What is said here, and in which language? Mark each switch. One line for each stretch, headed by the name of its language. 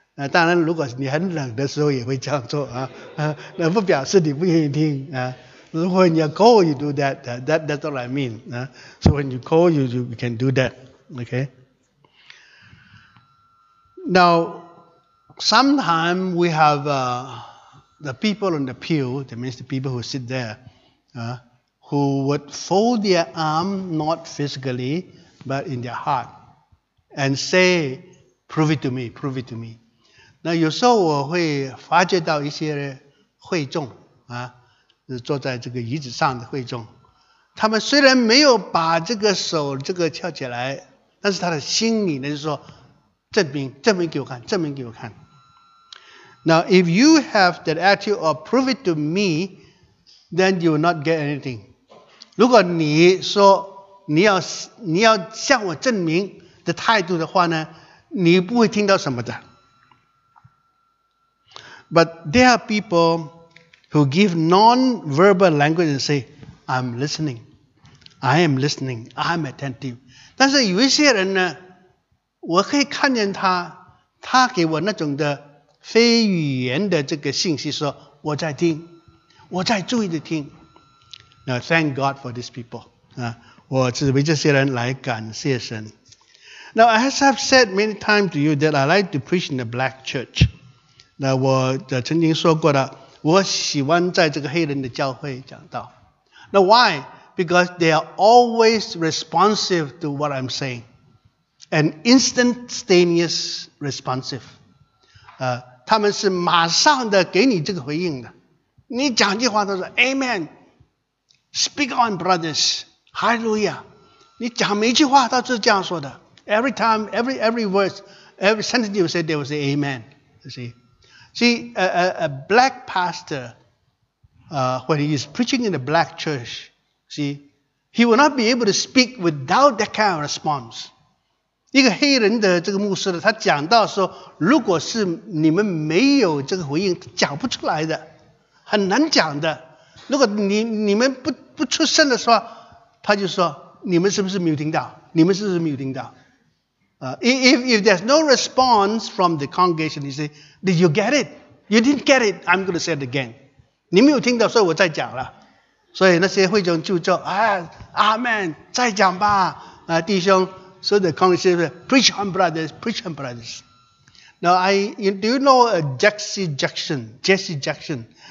Chinese: 当然，如果你很冷的时候也会这样做啊，那不表示你不愿意听啊。如果你要
English: go, you do that. That's what I mean. So when you go, you can do that. Okay. Now, sometimes we have the people on the pew. That means the people who sit there, who would fold their arm, not physically, but in their heart, and say, "Prove it to me. Prove it to me."
Chinese: 那有时候我会发觉到一些会众啊。坐在这个椅子上的会众，他们虽然没有把这个手这个翘起来，但是他的心里呢就说，证明给我看，证明给我看。
English: Now if you have that attitude of prove it to me, then you will not get anything.
Chinese: 如果你说你要向我证明的态度的话呢，你不会听到什么的。
English: But there are people. Who give non-verbal language and say, "I'm listening, I am listening, I'm attentive."
Chinese: 但是有一些人呢，我可以看见他给我那种的非语言的这个信息，说我在听，我在注意的听。
English: Now thank God for these people.
Chinese: 我是为这些人来感谢神。
English: Now as I've said many times to you that I like to preach in the black church.
Chinese: 那我曾经说过的。我喜欢在这个黑人的教会讲道。
English: Now why? Because they are always responsive to what I'm saying. An instantaneous responsive.
Chinese: 他们是马上的给你这个回应的。你讲句话都说
English: Amen. Speak on brothers. Hallelujah.
Chinese: 你讲每一句话都是这样说的。
English: Every time, every word, every sentence you say, they will say Amen. You see? See, a black pastor, when he is preaching in a black church, see, he will not be able to speak without that kind of response.
Chinese: 一个黑人的这个牧师呢，他讲到说，如果是你们没有这个回应，讲不出来的，很难讲的。如果你们不出声的时候，他就说，你们是不是没有听到？你们是不是没有听到？
English: If there's no response from the congregation, he say, "Did you get it? You didn't get it. I'm going to say it again."
Chinese: 你没有听到，所以我再讲了。所以那些会众就说：“啊，阿门，再讲吧，弟兄。”
English: 所以 the congregation say, "Preach on, brothers. Preach on, brothers." Now, do you know Jesse Jackson?